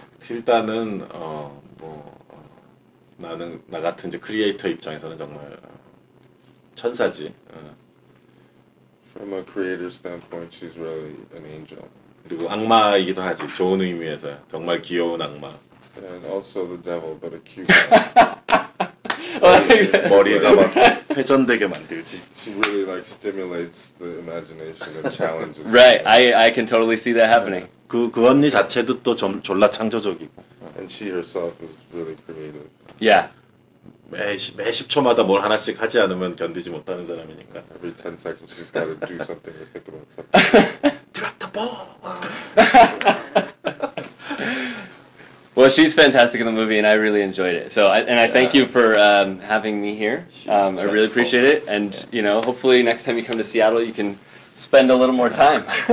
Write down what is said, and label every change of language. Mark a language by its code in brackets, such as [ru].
[ko] 일단은 뭐 나는 나 같은 이제 크리에이터 입장에서는 정말 천사지. [en] From a creator standpoint, she's really an angel. [ko] 그리고 악마이기도 하지. 좋은 의미에서 정말 귀여운 악마. [en] And also the devil, but a cute one. [ko] 머리가 막 회전되게 만들지. [en] She really like stimulates the imagination and challenges. Right, I can totally see that happening. [ko] 그 언니 자체도 또 좀 졸라 창조적이고. [en] And she herself is really creative. Yeah. [ko] 매 10초마다 뭘 하나씩 하지 않으면 견디지 못하는 사람이니까. [en] Every 10 seconds she's got to do something or think about something. Drop the ball! Well, she's fantastic in the movie, and I really enjoyed it. So I thank you for having me here. I really appreciate it. And, you know, hopefully next time you come to Seattle, you can spend a little more time.